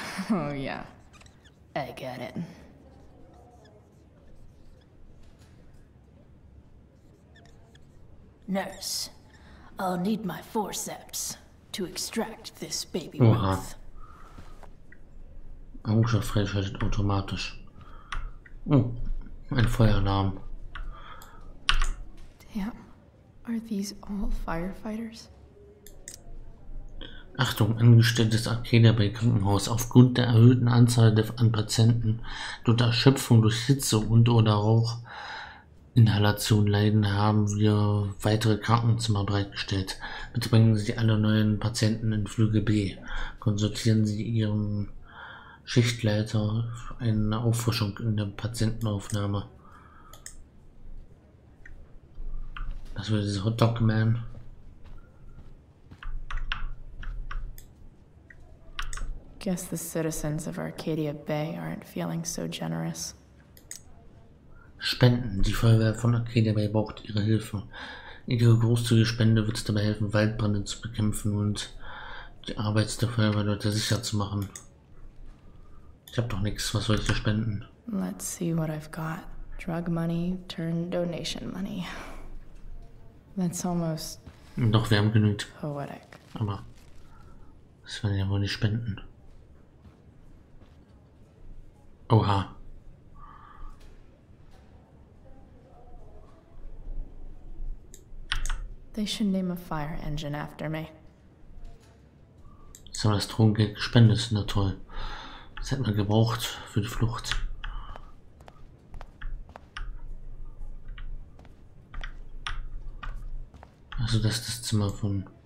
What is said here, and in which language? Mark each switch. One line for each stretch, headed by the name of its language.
English: Oh yeah, I get it. Nurse, I'll need my forceps to extract this baby with. Oha.
German: Angst freischaltet automatisch. Oh, ein Feueralarm.
English: Damn. Are these all firefighters?
German: Achtung, angestelltes Arcadia bei Krankenhaus. Aufgrund der erhöhten Anzahl an Patienten, die unter Erschöpfung durch Hitze und oder Rauchinhalation leiden, haben wir weitere Krankenzimmer bereitgestellt. Bitte bringen Sie alle neuen Patienten in Flügel B. Konsultieren Sie Ihren Schichtleiter für eine Auffrischung in der Patientenaufnahme. Das wäre dieser Hot Dog Man.
English: Guess the citizens of Arcadia Bay aren't feeling so generous.
German: Spenden. Die Feuerwehr von Arcadia Bay braucht ihre Hilfe. Ihre großzügige Spende wird dabei helfen, Waldbrände zu bekämpfen und die Arbeit der Feuerwehrleute sicher zu machen. Ich habe doch nichts, was soll ich hier spenden?
English: Let's see what I've got. Drug money turned donation money. That's almost
German: Doch, wir haben genügend.
English: Poetic.
German: Aber das werden wir wohl nicht spenden. Oha.
English: They should name a fire engine after me.
German: Jetzt haben wir das Drogengeld gespendet, ist ja toll. Das hätten wir gebraucht für die Flucht. Also das ist das Zimmer von...